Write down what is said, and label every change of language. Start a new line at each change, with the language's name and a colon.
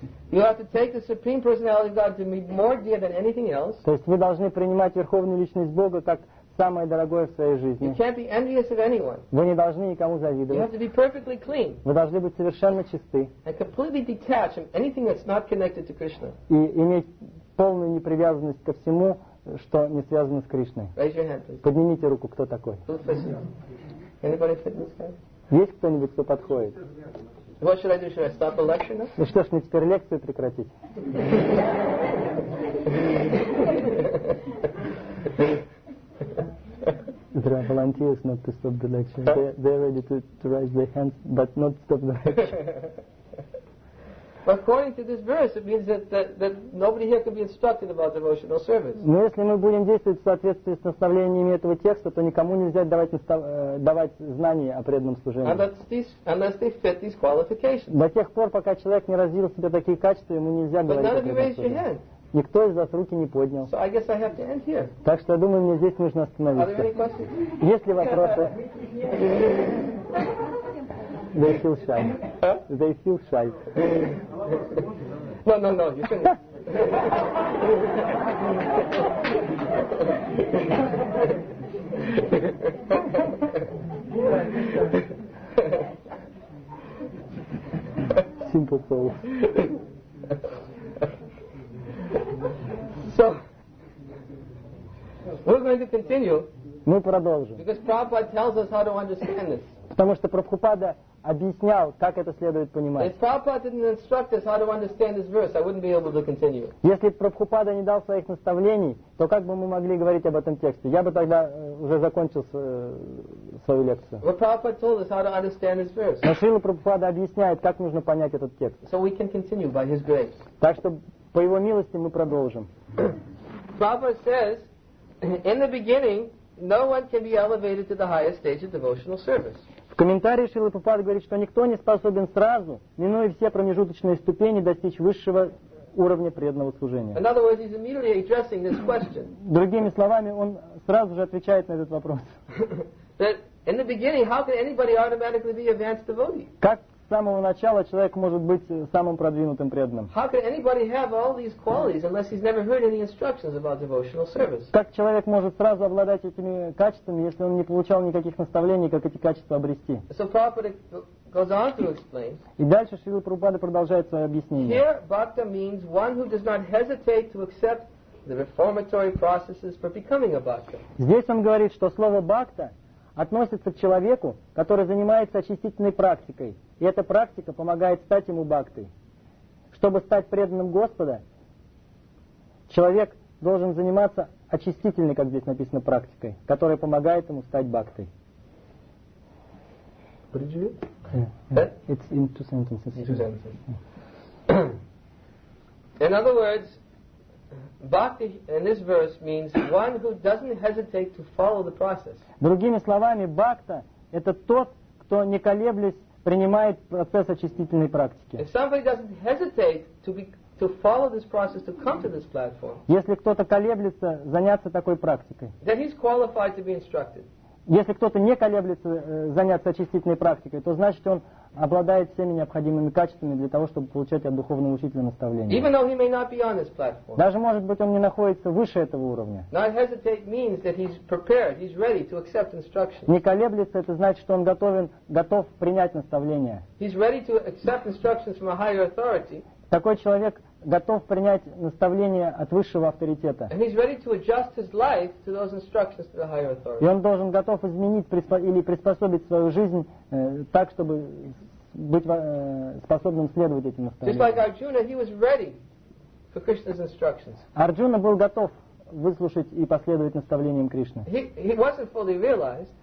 English: You have to take the Supreme Personality of God to be more dear than anything else.
Russian: То есть вы должны принимать Верховную Личность Бога как самое дорогое в своей жизни.
English: You can't be envious of anyone.
Russian: Вы не должны никому завидовать.
English: You have to be perfectly clean.
Russian: Вы должны быть совершенно чисты.
English: And completely detached from anything that's not connected to Krishna.
Russian: И иметь полную непривязанность ко всему, что не связано с Кришной.
English: Raise your hand, please.
Russian: Поднимите руку, кто такой.
English: Anybody fit this guy?
Russian: Есть кто-нибудь, кто подходит?
English: What should I do? Should I stop the lecture now?
Russian: Ну что ж, мне теперь лекцию прекратить.
English: There are volunteers not to stop the lecture. They're ready to raise their hands, but not stop the lecture. According to this verse, it means that nobody here can be instructed about devotional service.
Russian: Но если мы будем действовать в соответствии с наставлениями этого текста, то никому нельзя давать знания о преданном служении.
English: Unless they fit these qualifications.
Russian: До тех пор, пока человек не развил в себе такие качества, ему нельзя говорить о преданном служении. Никто из вас руки не поднял.
English: So I guess I have to end here.
Russian: Так что я думаю, мне здесь нужно остановиться. Есть ли вопросы?
English: They feel shy. They feel shy. No, you shouldn't. Simple soul. So, we're going to continue.
Russian: Мы продолжим.
English: Because Prabhupada tells us how to understand this.
Russian: Потому что Прабхупада объяснял, как это следует понимать.
English: If Prabhupada didn't instruct us how to understand this verse, I wouldn't be able to continue.
Russian: Если Прабхупада не дал своих наставлений, то как бы мы могли говорить об этом тексте? Я бы тогда уже закончил свою лекцию.
English: Well, Prabhupada told us how to understand this verse.
Russian: Но Шрила Прабхупада объясняет, как нужно понять этот текст.
English: So we can continue by his grace.
Russian: Так что по его милости мы продолжим.
English: Prabhupada says, in the beginning, no one can be elevated to the highest stage of devotional service.
Russian: В комментарии Шрила Прабхупада говорит, что никто не способен сразу, минуя все промежуточные ступени, достичь высшего уровня преданного служения.
English: In other words, he's immediately addressing this question.
Russian: Другими словами, он сразу же отвечает на этот вопрос.
English: That in the beginning, how can anybody automatically be advanced devotee?
Russian: Как с самого начала человек может быть самым продвинутым преданным?
English: How can anybody have all these qualities unless he's never heard any instructions about devotional service?
Russian: Как человек может сразу обладать этими качествами, если он не получал никаких наставлений, как эти качества обрести?
English: So Prabhupada goes on to explain.
Russian: И дальше Шрила Прабхупада продолжает свое объяснение.
English: Here, bhakta means one who does not hesitate to accept the reformatory processes for becoming a bhakta.
Russian: Здесь он говорит, что слово бхакта относится к человеку, который занимается очистительной практикой, и эта практика помогает стать ему бхактой. Чтобы стать преданным Господа, человек должен заниматься очистительной, как здесь написано, практикой, которая помогает ему стать бхактой.
English: What did you read? It's in two sentences. In other words, bhakti in this verse means one who doesn't hesitate to follow the process.
Russian: Другими словами, бхакта – это тот, кто не колеблясь принимает процесс очистительной практики.
English: If somebody doesn't hesitate to follow this process to come to this platform,
Russian: если кто-то колеблется заняться такой практикой,
English: then he's qualified to be instructed.
Russian: Если кто-то не колеблется заняться очистительной практикой, то значит он обладает всеми необходимыми качествами для того, чтобы получать от духовного учителя наставление.
English: Even though he may not be on this platform.
Russian: Даже, может быть, он не находится выше этого уровня.
English: Not hesitate means that he's prepared, he's ready to accept instruction.
Russian: Не колеблется, это значит, что он готов принять наставление.
English: He's ready to accept instructions from a higher authority.
Russian: Такой человек готов принять наставление от высшего авторитета.
English: And he's ready to adjust his life to those instructions to the higher authority.
Russian: И он должен готов изменить или приспособить свою жизнь так, чтобы быть способным следовать этим наставлениям.
English: Just like Arjuna, he was ready for Krishna's instructions.
Russian: Арджуна был готов выслушать и последовать наставлениям Кришны.
English: He wasn't fully realized.